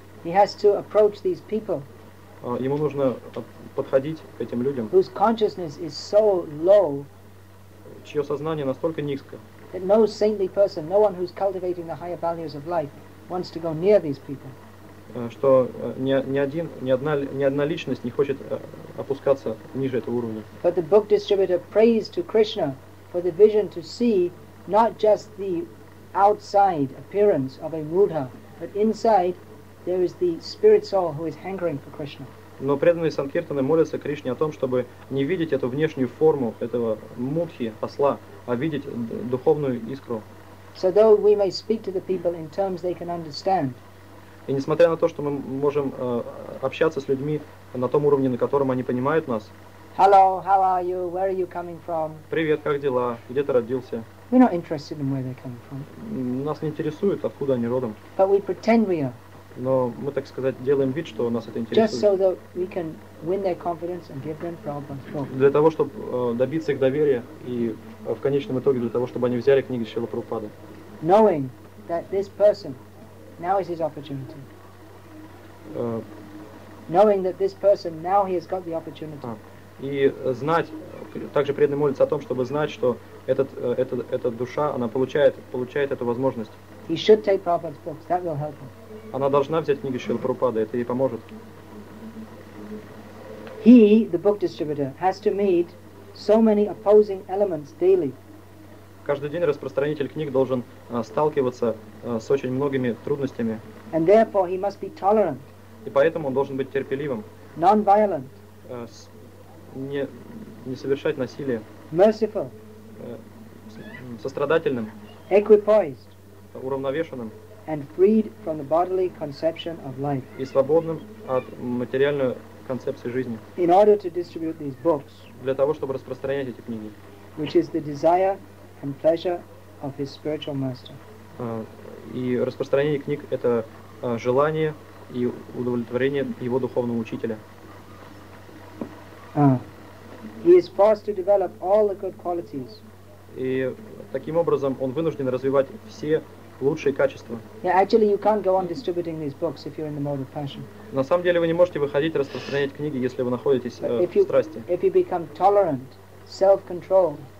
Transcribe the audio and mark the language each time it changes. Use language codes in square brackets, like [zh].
[en] He has to approach these people. [ru] Ему нужно подходить к этим людям, [en] whose consciousness is so low, [ru] чье сознание настолько низко, [en] that no saintly person, no one who's cultivating the higher values of life, wants to go near these people. [ru] Что ни одна личность не хочет опускаться ниже этого уровня. [en] But the book distributor prays to Krishna for the vision to see not just the outside appearance of a mudha, but inside there is the spirit soul who is hankering for Krishna. [ru] Но преданные санкиртаны молятся Кришне о том, чтобы не видеть эту внешнюю форму этого мудхи, осла, а видеть духовную искру. [en] So though we may speak to the people in terms they can understand. [ru] И несмотря на то, что мы можем общаться с людьми на том уровне, на котором они понимают нас. [en] Hello, how are you? Where are you coming from? [ru] Привет, как дела? Где ты родился? [en] We're not interested in where they're coming from. [ru] Нас не интересует, откуда они родом. [en] But we pretend we are. [ru] Но мы, так сказать, делаем вид, что нас это интересует. [en] Just so that we can win their confidence and give them Prabhupada's book. [ru] Для того, чтобы добиться их доверия и в конечном итоге для того, чтобы они взяли книги Шрилы Прабхупады. [en] Knowing that this person now is his opportunity. Knowing that this person now he has got the opportunity. [ru] И знать, также преданный молится о том, чтобы знать, что эта душа, она получает эту возможность. [en] He should take Prabhupada's books. That will help him. [ru] Она должна взять книги Шрилы Прабхупады, это ей поможет. [en] He, the book distributor, has to meet so many opposing elements daily. [ru] Каждый день распространитель книг должен сталкиваться с очень многими трудностями. [en] And therefore he must be tolerant. [ru] И поэтому он должен быть терпеливым. [en] Non-violent. [ru] Не совершать насилие. [en] Merciful. [ru] Сострадательным. [en] Equipoised. [ru] Уравновешенным. [en] And freed from the bodily conception of life. [ru] И свободным от материальной концепции жизни. [en] In order to distribute these books. [ru] Для того, чтобы распространять эти книги. [en] Which is the desire and pleasure of his spiritual master. [ru] И распространение книг это желание и удовлетворение его духовного учителя. [en] He is forced to develop all the good qualities. [ru] И таким образом он вынужден развивать все лучшие качества. [en] Yeah, actually, you can't go on distributing these books if you're in the mode of passion. [ru] На самом деле вы не можете выходить распространять книги, если вы находитесь в страсти. [en] If you become tolerant, self-controlled.